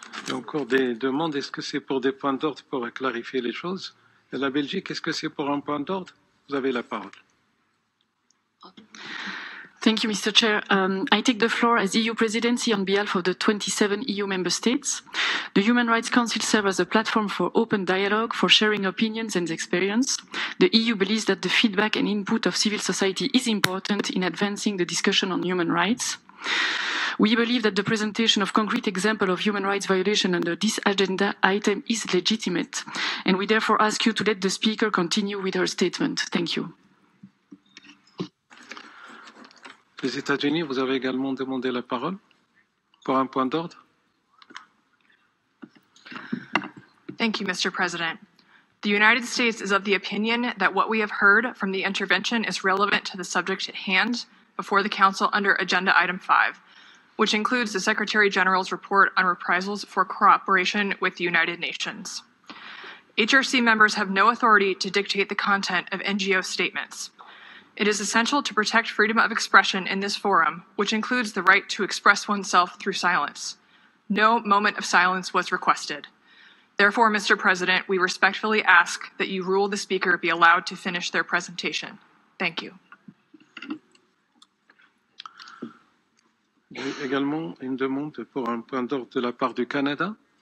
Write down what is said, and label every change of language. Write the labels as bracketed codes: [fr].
[fr] Encore des demandes, est-ce que c'est pour des points d'ordre pour clarifier les choses? Et la Belgique, est-ce que c'est pour un point d'ordre? Vous avez la parole. [en] Thank you, Mr. Chair. I take the floor as EU Presidency on behalf of the 27 EU member states. The Human Rights Council serves as a platform for open dialogue, for sharing opinions and experience. The EU believes that the feedback and input of civil society is important in advancing the discussion on human rights. We believe that the presentation of concrete examples of human rights violation under this agenda item is legitimate, and we therefore ask you to let the speaker continue with her statement. Thank you. [fr] Les États-Unis, vous avez également demandé la parole pour un point d'ordre. [en] Thank you, Mr. President. The United States is of the opinion that what we have heard from the intervention is relevant to the subject at hand before the Council under Agenda Item 5, which includes the Secretary General's report on reprisals for cooperation with the United Nations. HRC members have no authority to dictate the content of NGO statements. It is essential to protect freedom of expression in this forum, which includes the right to express oneself through silence. No moment of silence was requested. Therefore, Mr. President, we respectfully ask that you rule the speaker be allowed to finish their presentation. Thank you. [fr] J'ai également une demande pour un point d'ordre de la part du Canada.